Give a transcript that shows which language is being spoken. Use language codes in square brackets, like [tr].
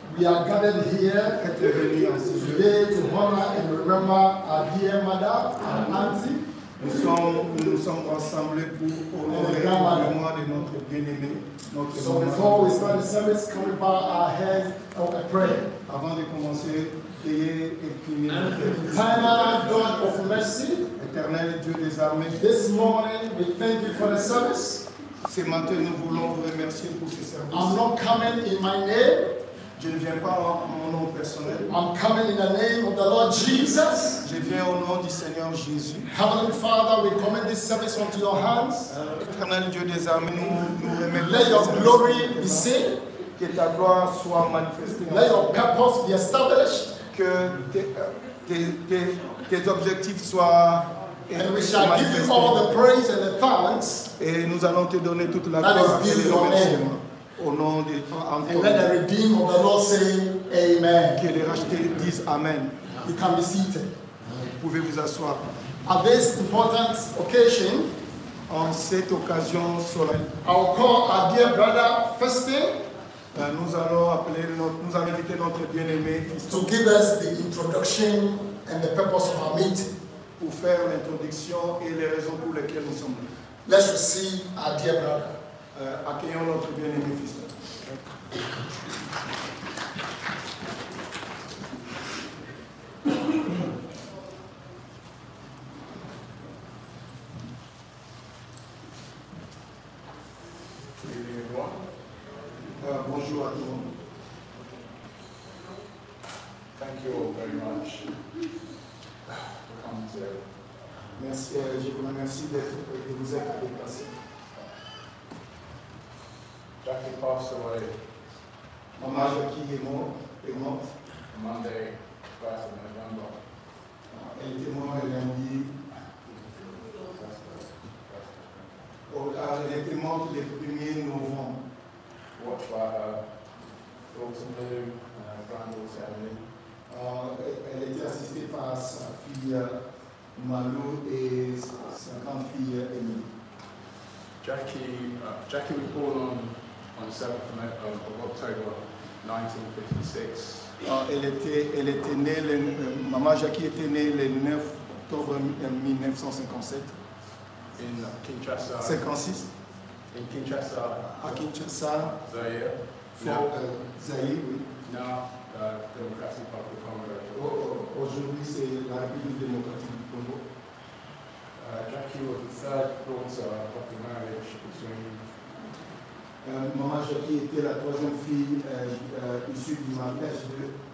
[en] We are gathered here at the today to honor and remember our dear mother and auntie. [fr] Nous sommes rassemblés pour honorer la mémoire de notre bien-aimé, notre [en] So before we start the service, can we bow our heads for a prayer? [fr] Avant de commencer, priez et prier. [en] Eternal God of mercy, [fr] Éternel Dieu des armées, [en] this morning we thank you for the service. [fr] Ce matin, nous voulons vous remercier pour ce service. [en] I'm not coming in my name. [fr] Je ne viens pas en mon nom personnel. [en] I'm coming in the name of the Lord Jesus. [fr] Je viens au nom du Seigneur Jésus. [en] Heavenly Father, we commend this service unto your hands. [fr] Éternel Dieu des armées, nous remettons. [en] Let your glory be seen. [fr] Que ta gloire soit manifestée. [en] Let your purpose be established. [fr] Que tes objectifs soient. [en] And we shall give you all the praise and the thanks. [fr] Et nous allons te donner toute la gloire et le remerciement. Au nom de [en] And let the redeemed of the Lord say Amen. [fr] Que les rachetés disent Amen. [en] You can be seated. [fr] Vous pouvez vous asseoir. [en] At this important occasion, [fr] en cette occasion solennelle, [en] I'll call our dear brother Festin. [fr] Nous allons inviter notre bien-aimé [en] to give us the introduction and the purpose of our meeting. [fr] Pour faire l'introduction et les raisons pour lesquelles nous sommes là. [en] Let's receive our dear brother. [fr] Accueillons notre bien-aimé fils. Bonjour à tout le monde. [en] Thank you all very much for coming here. [fr] Merci, je vous remercie de vous être déplacé. [en] Jackie passed away. [fr] Mama Jackie est morte. [en] Monday, 1st of November. [fr] Elle était morte lundi. Elle était morte le 1er novembre. [en] Watched by her daughter Lou and her granddaughter Emily. [fr] Elle était assistée par sa fille Malou et sa grande fille Emily. [en] Jackie was born on the 7th of October 1956. [fr] Elle était née, Maman Jackie était née le 9 octobre 1957. [en] In Kinshasa. 56. In Kinshasa. [fr] À Kinshasa. [en] Zaire. [fr] Zaire, oui. [en] Now, the Democratic Party of Congo. [fr] Aujourd'hui, c'est la République démocratique du Congo. [en] Jackie was the third daughter of the marriage between. [fr] Maman Jackie était la troisième fille issue du mariage de